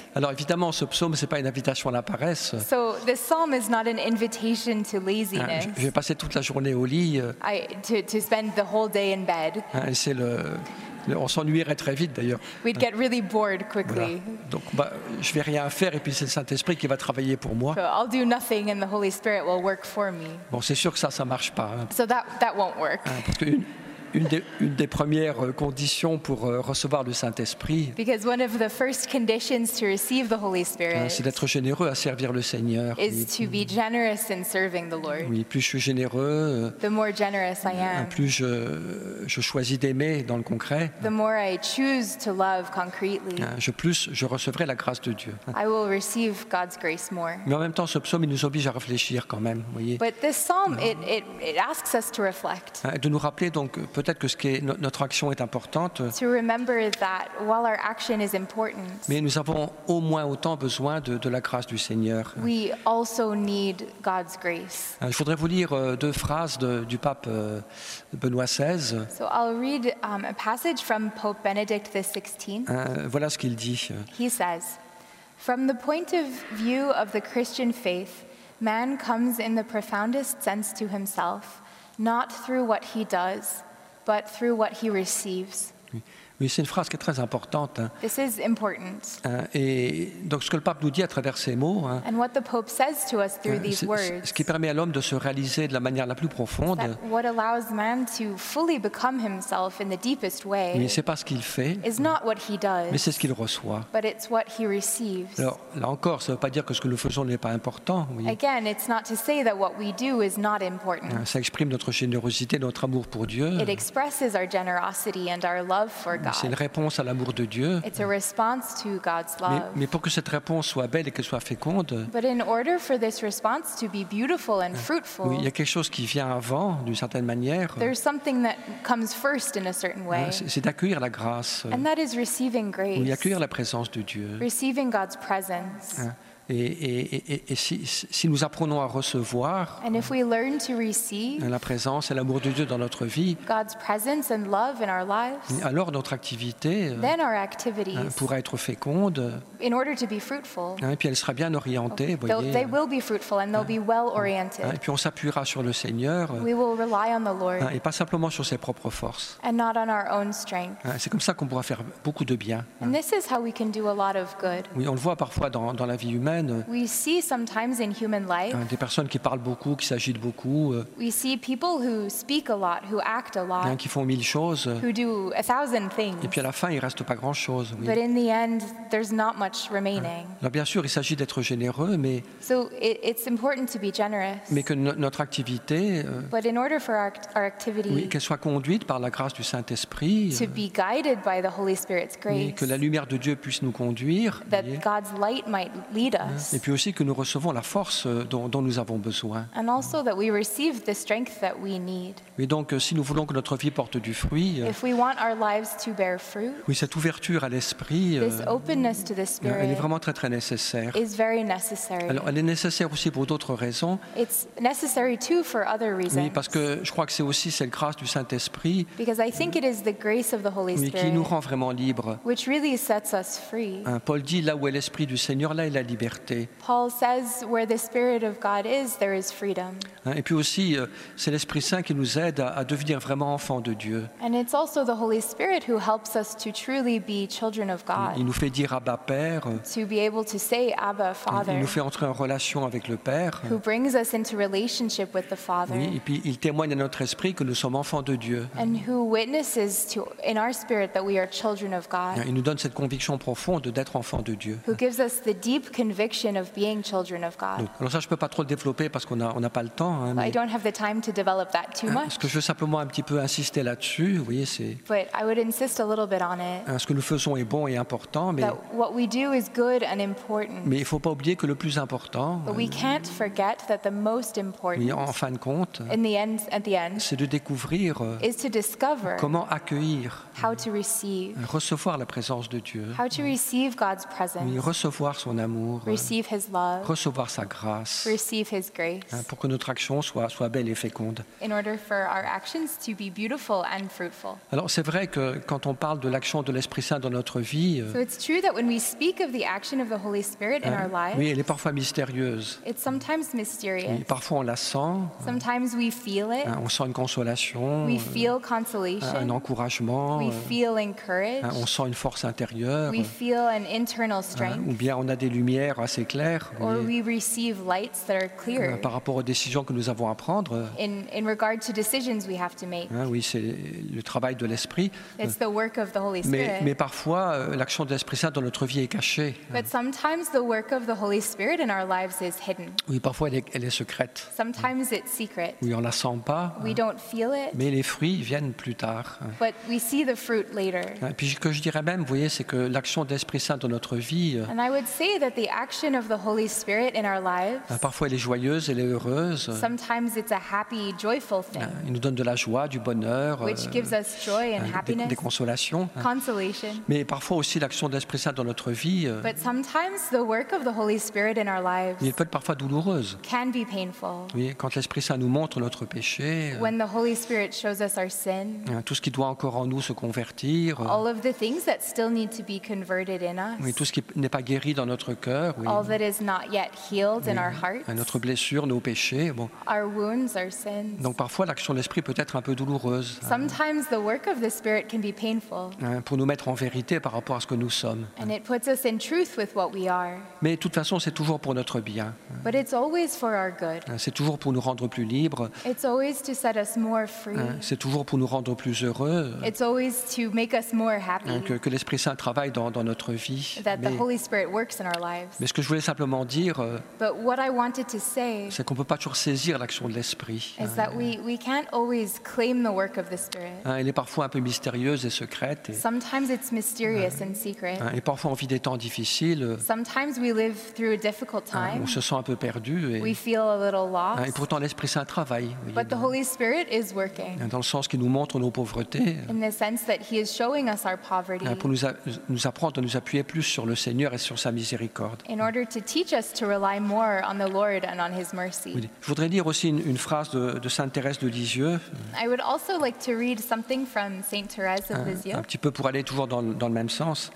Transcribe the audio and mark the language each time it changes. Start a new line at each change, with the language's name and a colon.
French: Alors, évidemment, ce psaume, c'est pas une invitation à la paresse.
English: So this psalm is not an invitation to laziness.
French: Je vais passer toute la journée au lit.
English: To spend the whole day in bed.
French: Hein, c'est on s'ennuierait très vite, d'ailleurs.
English: We'd get really bored quickly.
French: Voilà. Donc, bah, je vais rien faire, et puis c'est le Saint-Esprit qui va travailler pour moi.
English: So I'll do nothing, and the Holy Spirit will work for me.
French: Bon, c'est sûr que ça marche pas. Hein.
English: So that won't work.
French: Hein, parce que une des premières conditions pour recevoir le Saint-Esprit,
English: because one of the first conditions to receive the Holy Spirit,
French: c'est d'être généreux à servir le Seigneur.
English: Is to be generous in serving the Lord.
French: Oui, plus je suis généreux,
English: the more generous I am.
French: Plus je choisis d'aimer dans le concret,
English: the more I choose to love concretely.
French: Plus je recevrai la grâce de Dieu.
English: I will receive God's grace more.
French: Mais en même temps, ce psaume, il nous oblige à réfléchir quand même, voyez.
English: But this psalm, it asks us to reflect.
French: De nous rappeler donc. Peut-être que notre action est importante.
English: To remember that while our action is important,
French: mais nous avons au moins autant besoin de la grâce du Seigneur.
English: We also need God's grace.
French: Je voudrais vous lire deux phrases du pape Benoît XVI.
English: So I'll read a passage from Pope Benedict XVI.
French: Voilà ce qu'il dit.
English: He says, from the point of view of the Christian faith, man comes in the profoundest sense to himself, not through what he does, but through what he receives.
French: Oui, c'est une phrase qui est très importante.
English: This is important.
French: Et donc, ce que le pape nous dit à travers ces mots,
English: and what the Pope says to us through these words,
French: ce qui permet à l'homme de se réaliser de la manière la plus profonde,
English: what allows man to fully become himself in the deepest way,
French: mais c'est pas ce qu'il fait,
English: is not what he does,
French: mais c'est ce qu'il reçoit.
English: But it's what he receives.
French: Alors, là encore, ça ne veut pas dire que ce que nous faisons n'est pas important. Oui.
English: Again, it's not to say that what we do is not important.
French: Ça exprime notre générosité, notre amour pour Dieu.
English: It expresses our generosity and our love for God.
French: C'est une réponse à l'amour de Dieu.
English: It's a response to God's love.
French: Mais pour que cette réponse soit belle et qu'elle soit féconde,
English: but in order for this response to be beautiful and fruitful,
French: oui, il y a quelque chose qui vient avant, d'une certaine manière.
English: There's something that comes first in a certain way.
French: C'est d'accueillir la grâce.
English: And that is receiving grace.
French: Oui, accueillir la présence de Dieu.
English: Receiving God's presence.
French: Et si nous apprenons à recevoir la présence et l'amour de Dieu dans notre vie,
English: God's presence and love in our lives,
French: alors notre activité pourra être féconde,
English: in order to be fruitful,
French: et puis elle sera bien orientée. Okay. Voyez.
English: They will be fruitful and they'll be well oriented.
French: Et puis on s'appuiera sur le Seigneur,
English: we will rely on the Lord,
French: et pas simplement sur ses propres forces.
English: And not on our own strength.
French: C'est comme ça qu'on pourra faire beaucoup de bien.
English: And this is how we can do a lot of good.
French: Oui, on le voit parfois dans la vie humaine.
English: We see sometimes in human life,
French: des personnes qui parlent beaucoup, qui s'agitent beaucoup,
English: we see people who speak a lot, who act a lot,
French: qui font mille choses,
English: who do a thousand things,
French: et puis à la fin il reste pas grand chose.
English: But in the end there's not much remaining.
French: Alors, bien sûr, il s'agit d'être généreux, mais
English: so it's important to be generous,
French: mais que notre activité,
English: but in order for our activity,
French: oui, qu'elle soit conduite par la grâce du Saint-Esprit,
English: to be guided by the Holy Spirit's grace,
French: oui, que la lumière de Dieu puisse nous conduire,
English: that voyez. God's light might lead.
French: Et puis aussi que nous recevons la force dont nous avons besoin.
English: And also that we receive the strength that we need.
French: Et donc, si nous voulons que notre vie porte du fruit,
English: if we want our lives to bear fruit,
French: oui, cette ouverture à l'esprit,
English: this openness to the spirit,
French: elle est vraiment très très nécessaire.
English: Is very necessary.
French: Alors, elle est nécessaire aussi pour d'autres raisons.
English: It's necessary too for other reasons.
French: Oui, parce que je crois que c'est aussi cette grâce du Saint-Esprit,
English: because I think it is the grace of the Holy Spirit,
French: qui nous rend vraiment libres.
English: Which really sets us free.
French: Paul dit, là où est l'esprit du Seigneur, là est la liberté.
English: Paul says, where the Spirit of God is, there is freedom.
French: Et puis aussi, c'est l'Esprit Saint qui nous aide à devenir vraiment enfants de Dieu.
English: And it's also the Holy Spirit who helps us to truly be children of God.
French: Il nous fait dire Abba Père.
English: To be able to say Abba Father.
French: Il nous fait entrer en relation avec le Père.
English: Who brings us into relationship with the Father.
French: Oui, et puis il témoigne à notre esprit que nous sommes enfants de Dieu.
English: And who witnesses to in our spirit that we are children of God.
French: Il nous donne cette conviction profonde d'être enfants de Dieu.
English: Who gives us the deep conviction of being children of God.
French: Donc, alors ça, je peux pas trop le développer parce qu'on a pas le temps.
English: I don't have the time to develop that too much.
French: Ce que je veux simplement un petit peu insister là-dessus, vous voyez, c'est.
English: But I would insist a little bit on it.
French: Ce que nous faisons est bon et important, mais.
English: That what we do is good and important.
French: Mais il faut pas oublier que le plus important.
English: But we can't forget that the most important.
French: En fin de compte.
English: In the end, at the end.
French: C'est de découvrir.
English: Is to discover.
French: Comment accueillir.
English: How to receive.
French: Recevoir la présence de Dieu.
English: How to receive God's presence.
French: Recevoir son amour.
English: receive his love,
French: recevoir sa grâce,
English: receive his grace,
French: pour que notre action soit belle et féconde.
English: In order for our actions to be beautiful and fruitful.
French: Alors c'est vrai que quand on parle de l'action de l'Esprit Saint dans notre vie,
English: so it's true that when we speak of the action of the Holy Spirit in our lives,
French: oui, elle est parfois mystérieuse.
English: It's sometimes mysterious.
French: Et parfois on la sent.
English: Sometimes we feel it.
French: On sent une consolation.
English: We feel consolation.
French: Un encouragement.
English: We feel encouraged.
French: On sent une force intérieure.
English: We feel an internal strength.
French: Ou bien on a des lumières assez claires.
English: Or we receive lights that are clear.
French: Par rapport aux décisions que nous avons à prendre.
English: In regard to decisions we have to make.
French: Oui, c'est le travail de l'Esprit.
English: It's the work of the Holy Spirit.
French: Mais parfois, l'action de l'Esprit Saint dans notre vie est cachée.
English: But sometimes the work of the Holy Spirit in our lives is hidden.
French: Oui, parfois elle est secrète.
English: Sometimes it's secret.
French: Oui, on la sent pas.
English: We don't feel it.
French: Mais les fruits viennent plus tard.
English: But we see the fruit later.
French: Et puis ce que je dirais même, vous voyez, c'est que l'action de l'Esprit Saint dans notre vie.
English: And I would say that the action of the Holy Spirit in our lives.
French: Parfois elle est joyeuse, elle est heureuse.
English: Sometimes it's a happy, joyful thing.
French: Il nous donne de la joie, du bonheur.
English: Which gives us joy and happiness.
French: Des consolations.
English: Consolation.
French: Mais parfois aussi l'action de l'Esprit Saint dans notre vie.
English: But sometimes the work of the Holy Spirit in our lives.
French: Il peut être parfois douloureuse.
English: Can be painful.
French: Oui, quand l'Esprit Saint nous montre notre péché.
English: When the Holy Spirit shows us our sin.
French: Tout ce qui doit encore en nous se convertir.
English: All of the things that still need to be converted in us.
French: Oui, tout ce qui n'est pas guéri dans notre cœur. Oui.
English: All that is not yet healed in our hearts.
French: Notre blessure, nos péchés. Bon.
English: Our wounds, our sins.
French: Donc parfois l'action de l'Esprit peut être un peu douloureuse.
English: Sometimes the work of the Spirit can be painful.
French: Pour nous mettre en vérité par rapport à ce que nous sommes.
English: And it puts us in truth with what we are.
French: Mais de toute façon, c'est toujours pour notre bien.
English: But it's always for our good.
French: C'est toujours pour nous rendre plus libres.
English: It's always to set us more free.
French: C'est toujours pour nous rendre plus heureux.
English: It's always to make us more happy.
French: Que l'Esprit Saint travaille dans notre vie.
English: That the Holy Spirit works in our lives.
French: Mais ce que je voulais simplement dire,
English: but what I wanted to say,
French: c'est qu'on ne peut pas toujours saisir l'action de l'Esprit.
English: Is that we can't always claim the work of the Spirit.
French: Elle est parfois un peu mystérieuse et secrète.
English: Sometimes it's mysterious and secret.
French: Et parfois on vit des temps difficiles.
English: Sometimes we live through a difficult time.
French: On se sent un peu perdu.
English: We feel a little lost.
French: Et pourtant l'Esprit Saint travaille.
English: But the Holy Spirit is working.
French: Dans le sens qu'il nous montre nos pauvretés.
English: In the sense that he is showing us our poverty.
French: Pour nous apprendre à nous appuyer plus sur le Seigneur et sur sa miséricorde.
English: In order to teach us to rely more on the Lord and on his mercy.
French: Je voudrais lire aussi une phrase de Sainte Thérèse de Lisieux.
English: I would also like to read something from Saint Thérèse of Lisieux.
French: Un petit peu pour aller toujours dans le même sens.